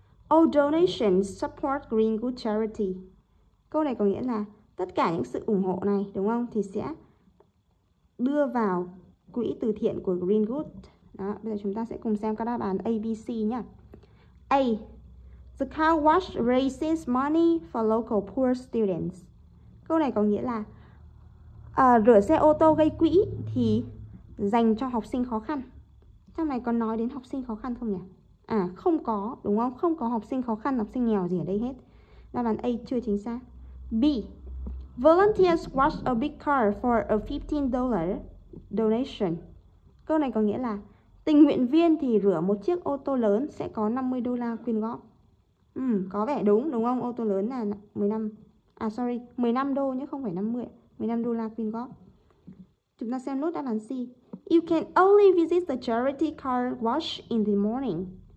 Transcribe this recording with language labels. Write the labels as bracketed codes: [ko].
[en] All donations support Greenwood Charity. [vi] Câu này có nghĩa là tất cả những sự ủng hộ này, đúng không, thì sẽ đưa vào quỹ từ thiện của Greenwood. Đó, bây giờ chúng ta sẽ cùng xem các đáp án A, B, C nhé. A. [en] The car wash raises money for local poor students. [vi] Câu này có nghĩa là rửa xe ô tô gây quỹ thì dành cho học sinh khó khăn. Trong này có nói đến học sinh khó khăn không nhỉ? À, không có, đúng không? Không có học sinh khó khăn, học sinh nghèo gì ở đây hết. Đáp án A chưa chính xác. B. [en] Volunteers wash a big car for a $15 donation. [vi] Câu này có nghĩa là tình nguyện viên thì rửa một chiếc ô tô lớn sẽ có $50 quyên góp. Có vẻ đúng, đúng không? Ô tô lớn là 15 đô chứ không phải 50. $15 quyên góp. Chúng ta xem nốt đáp án C. [en] You can only visit the charity car wash in the morning.